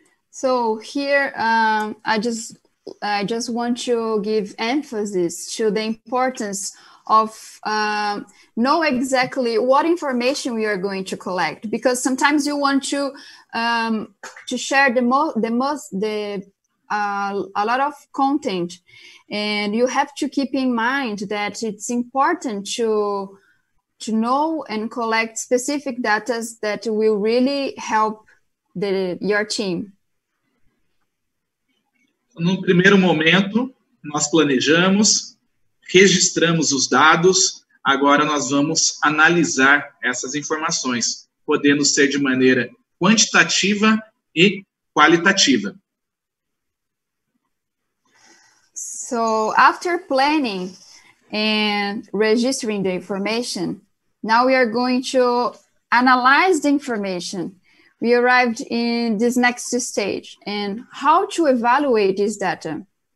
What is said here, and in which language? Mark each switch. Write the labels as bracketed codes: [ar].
[en] So here, I just want to give emphasis to the importance of know exactly what information we are going to collect, because sometimes you want to share a lot of content, and you have to keep in mind that it's important to know and collect specific data that will really help your team. [pt] No primeiro momento, nós planejamos, registramos os dados, agora nós vamos analisar essas informações, podendo ser de maneira quantitativa e qualitativa. [en] So, after planning and registering the information, now we are going to analyze the information. We arrived in this next stage, and how to evaluate this data?